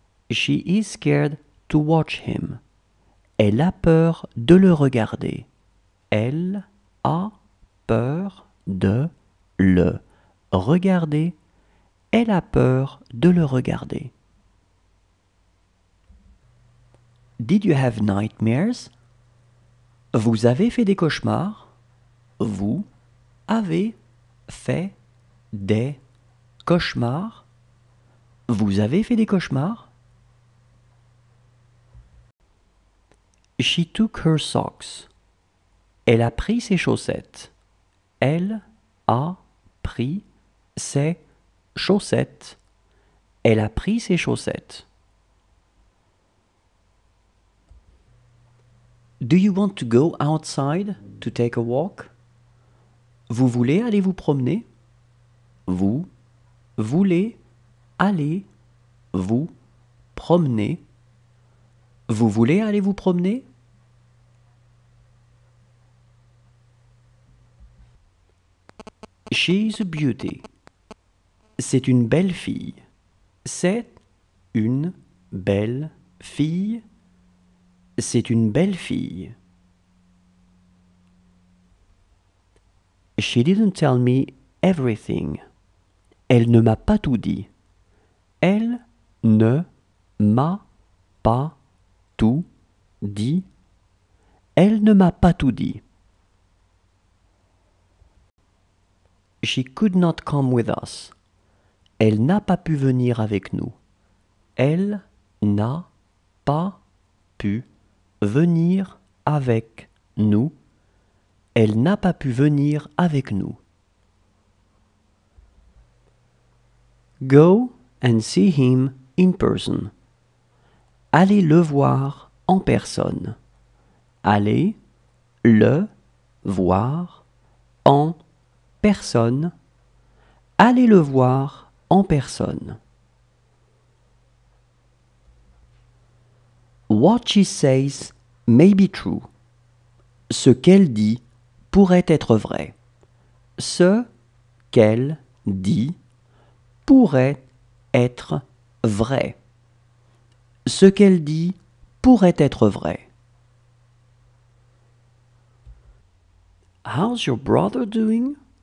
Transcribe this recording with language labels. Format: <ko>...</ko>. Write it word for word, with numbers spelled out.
<en>She is scared to watch him.</en> <fr>Elle a peur de le regarder. Elle a peur de le regarder. Elle a peur de le regarder.</fr> <en>Did you have nightmares?</en> <fr>Vous avez fait des cauchemars? Vous avez fait des cauchemars? Vous avez fait des cauchemars?</fr> <en>She took her socks.</en> <fr>Elle a pris ses chaussettes. Elle a pris ses chaussettes. Elle a pris ses chaussettes.</fr> <en>Do you want to go outside to take a walk?</en> <fr>Vous voulez aller vous promener? Vous voulez aller vous promener? Vous voulez aller vous promener?</fr> <en>She is a beauty.</en> <fr>C'est une belle fille. C'est une belle fille. C'est une belle fille.</fr> <en>She didn't tell me everything.</en> <fr>Elle ne m'a pas tout dit. Elle ne m'a pas tout dit. Elle ne m'a pas tout dit.</fr> <en>She could not come with us.</en> <fr>Elle n'a pas pu venir avec nous. Elle n'a pas pu venir avec nous. Elle n'a pas pu venir avec nous.</fr> <en>Go and see him in person.</en> <fr>Allez le voir en personne. Allez le voir en personne. Allez le voir en personne.</fr> <en>What she says may be true.</en> <fr>Ce qu'elle dit pourrait être vrai. Ce qu'elle dit pourrait être vrai. Ce qu'elle dit pourrait être vrai.</fr> <en>How's your brother doing?</en>